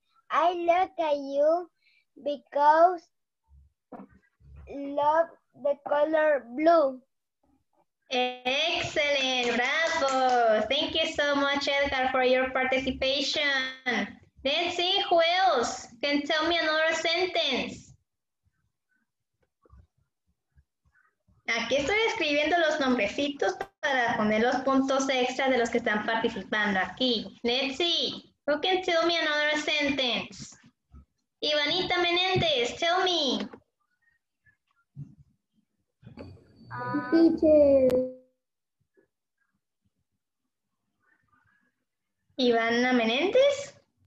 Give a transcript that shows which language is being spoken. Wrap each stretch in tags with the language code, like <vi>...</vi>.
<en>I look at you because love the color blue. Excellent, bravo. Thank you so much, Edgar, for your participation. Let's see who else can tell me another sentence.</en> <es>Aquí estoy escribiendo los nombrecitos para poner los puntos extra de los que están participando aquí.</es> <en>Let's see who can tell me another sentence. Ivanita Menéndez, tell me. Teacher. Ivana Menéndez.</en>